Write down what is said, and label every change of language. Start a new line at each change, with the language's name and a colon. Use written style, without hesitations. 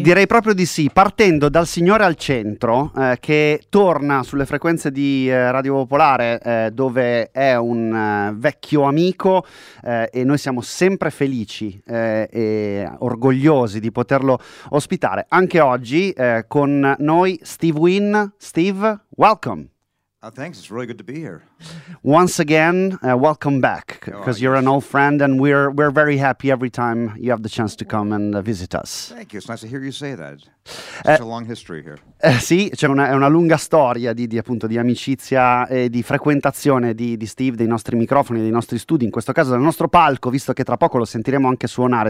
Italian: Direi proprio di sì, partendo dal signore al centro che torna sulle frequenze di Radio Popolare dove è un vecchio amico e noi siamo sempre felici e orgogliosi di poterlo ospitare anche oggi con noi Steve Wynn.
English: Steve, welcome. Thanks, it's really good to be here. Once again, welcome back, because you're an old friend, and we're very happy every time you have the chance to come and visit us. Thank you, it's nice to hear you say that. Such a long history here.
Italian: Sì, c'è una lunga storia di amicizia e di frequentazione di Steve, dei nostri microfoni, dei nostri studi, in questo caso del nostro palco, visto che tra poco lo sentiremo anche suonare.